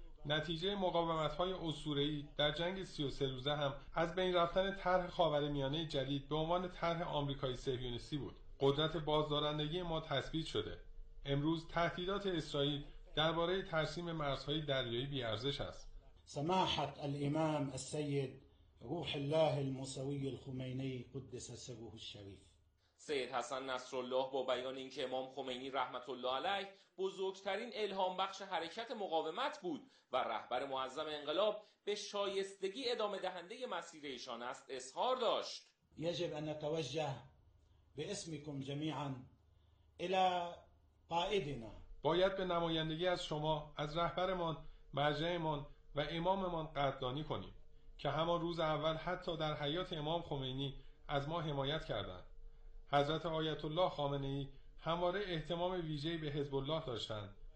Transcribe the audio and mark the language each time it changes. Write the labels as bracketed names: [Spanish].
[Persian] نتیجه مقاومت‌های اسطوره‌ای در جنگ 33 روزه هم از بین رفتن طرح خاورمیانه جدید به عنوان طرح آمریکایی صهیونیستی بود. قدرت بازدارندگی ما تثبیت شده. امروز تهدیدات اسرائیل درباره ترسیم مرزهای دریایی بی‌ارزش است. [Arabic] سماحة الإمام السيد روح الله الموسوي الخميني قدس سره الشريف. [Persian] سید حسن نصرالله با بیان اینکه امام خمینی رحمت الله علیه بزرگترین الهام بخش حرکت مقاومت بود و رهبر معظم انقلاب به شایستگی ادامه دهنده مسیر ایشان است اظهار داشت. [Arabic] یجب ان نتوجه باسمکم جميعا الى قائدنا. [Persian] باید به نمایندگی از شما از رهبرمان، مرجعمان و اماممان قدردانی کنیم که همان روز اول حتی در حیات امام خمینی از ما حمایت کردند. حضرت آیت الله خامنه ای همواره اهتمام ویژه‌ای به حزب الله داشتند.